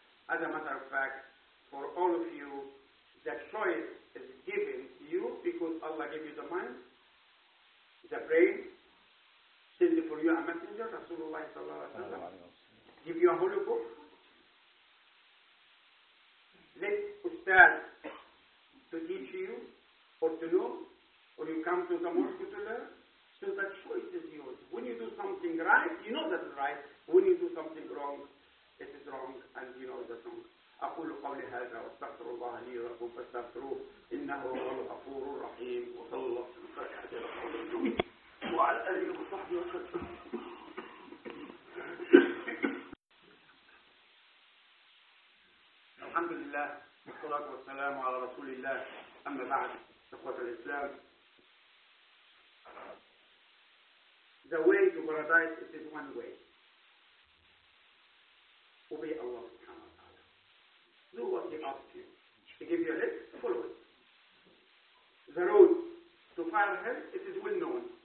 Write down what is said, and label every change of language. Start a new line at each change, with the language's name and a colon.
English: As a matter of fact, for all of you, the choice is given to you because Allah gave you the mind, the brain, send for you a messenger, Rasulullah sallallahu alayhi wa sallam, give you a holy book, let Ustaz to teach you or to know, or you come to the hospital, so the choice is yours. When you do something right, you know that's right. When you do something wrong, it is wrong, and you know that's wrong.
Arabic: أقول قولي هذا واستغفر الله لي ولكم فاستغفروه إنه هو الغفور الرحيم وصلى الله وسلم على سيدنا محمد وعلى آله وصحبه وسلم. الحمد لله والصلاة والسلام على رسول الله. أما بعد، إخوة الإسلام،
English: the way to paradise is one way. Obey Allah. Do what he asks you. He gives you a list, follow it. The road to fire hell, it is well known.